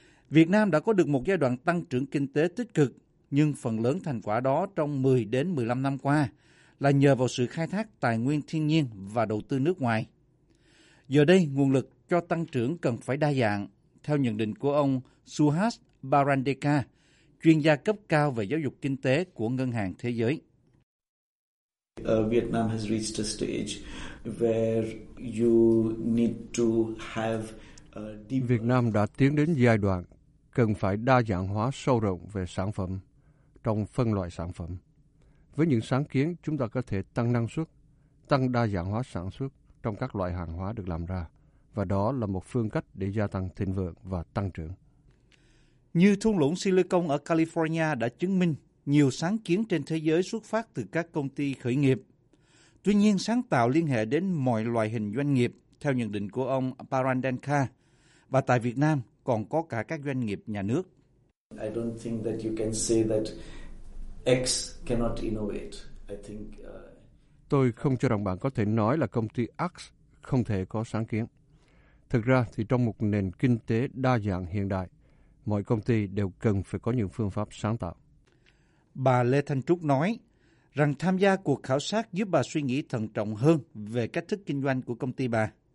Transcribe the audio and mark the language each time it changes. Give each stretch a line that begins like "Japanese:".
Vietnamese: Việt Nam đã có được một giai đoạn tăng trưởng kinh tế tích cực, nhưng phần lớn thành quả đó trong 10 đến 15 năm qua là nhờ vào sự khai thác tài nguyên thiên nhiên và đầu tư nước ngoài. Giờ đây, nguồn lực cho tăng trưởng cần phải đa dạng, theo nhận định của ông Suhas Barandeka, chuyên gia cấp cao về giáo dục kinh tế của Ngân hàng Thế giới.
English: Việt Nam has reached a stage where you need to have
Vietnamese: Việt Nam đã tiến đến giai đoạn cần phải đa dạng hóa sâu rộng về sản phẩm, trong phân loại sản phẩm. Với những sáng kiến, chúng ta có thể tăng năng suất, tăng đa dạng hóa sản xuất trong các loại hàng hóa được làm ra, và đó là một phương cách để gia tăng thịnh vượng và tăng trưởng. Như thung lũng Silicon ở California đã chứng minh, nhiều sáng kiến trên thế giới xuất phát từ các công ty khởi nghiệp. Tuy nhiên, sáng tạo liên hệ đến mọi loại hình doanh nghiệp, theo nhận định của ông Barandeka, và tại Việt Nam còn có cả các doanh nghiệp nhà nước.
English: I don't think that you can say that X cannot innovate. I think
Vietnamese: tôi không cho rằng bạn có thể nói là công ty X không thể có sáng kiến. Thực ra thì trong một nền kinh tế đa dạng hiện đại, mọi công ty đều cần phải có những phương pháp sáng tạo. Bà Lê Thanh Trúc nói rằng tham gia cuộc khảo sát giúp bà suy nghĩ thận trọng hơn về cách thức kinh doanh của công ty bà.